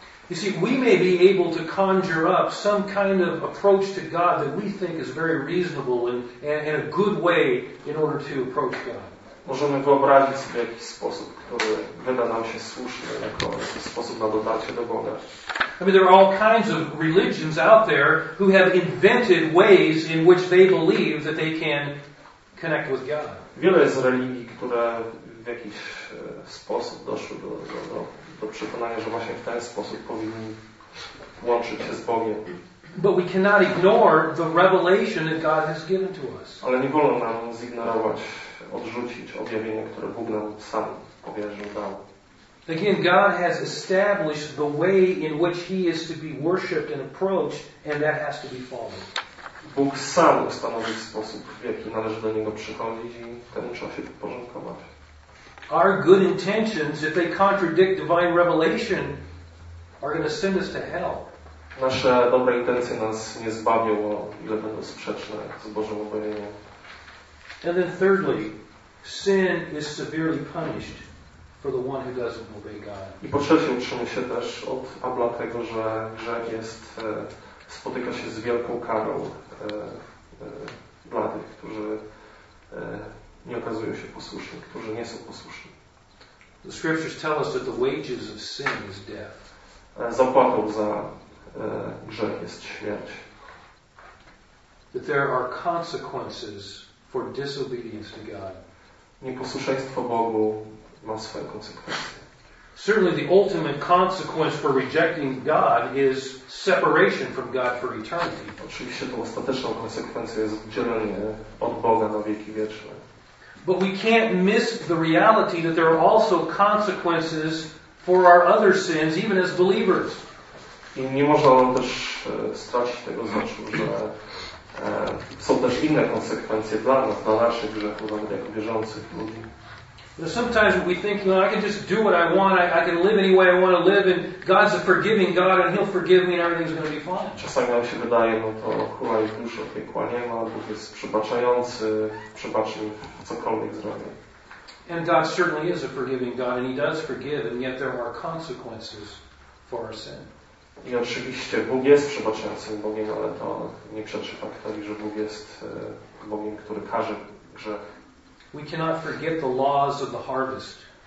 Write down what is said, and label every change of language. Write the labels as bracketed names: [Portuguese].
[English] You see, we may be able to conjure up some kind of approach to God that we think is very reasonable and a good way in order to approach God. [Polish] Możemy wyobrazić sobie jakiś sposób, który wyda nam się słuszny jako sposób na dotarcie do Boga. [English] I mean, there are all kinds of religions out there who have invented ways in which they believe that they can connect with God. [Polish] Wiele jest religii, które w jakiś sposób doszły do przekonania, że właśnie w ten sposób powinni łączyć się z Bogiem. [English] But we cannot ignore the revelation that God has given to us. [Polish] Ale nie wolno nam zignorować, odrzucić objawienie, które Bóg nam sam powierzył, dał. [English] Again, God has established the way in which he is to be worshipped and approached, and that has to be followed. [Polish] Bóg sam ustanowił sposób, w jaki należy do niego przychodzić, i temu trzeba się podporządkować. [English] Our good intentions, if they contradict divine revelation, are going to send us to hell. [Polish] Nasze dobre intencje nas nie zbawią, o ile będą sprzeczne z Bożym objawieniem. [English] And then thirdly, sin is severely punished for the one who doesn't obey God. [Polish] I po trzecie uczymy się też od Abla tego, że grzech jest spotyka się z wielką karą dla tych, którzy nie okazują się posłuszni, którzy nie są posłuszni. [English] The scriptures tell us that the wages of sin is death. [Polish] Zapłatą za grzech jest śmierć. [English] That there are consequences for disobedience to God. [Polish] Nieposłuszeństwo Bogu ma swoje konsekwencje. [English] Certainly the ultimate consequence for rejecting God is separation from God for eternity. [Polish] Oczywiście tą ostateczną konsekwencją jest oddzielenie od Boga na wieki wieczne. [English] But we can't miss the reality that there are also consequences for our other sins, even as believers. [Polish] I nie można też stracić tego z oczu, że są też inne konsekwencje dla nas, dla naszych grzechów, nawet jako wierzących ludzi. [English] Sometimes we think, you know, I can just do what I want, I can live any way I want to live, and God's a forgiving God, and He'll forgive me, and everything's going to be fine. [Polish] Czasami nam się wydaje, no to chula i dusza, piekła nie ma, Bóg jest przebaczający, przebaczy mi cokolwiek zrobię. [English] And God certainly is a forgiving God, and He does forgive, and yet there are consequences for our sin. [Polish] I oczywiście Bóg jest przebaczającym Bogiem, ale to nie przeczy faktowi, że Bóg jest Bogiem, który karze grzech. [English] We cannot forget the laws of the harvest.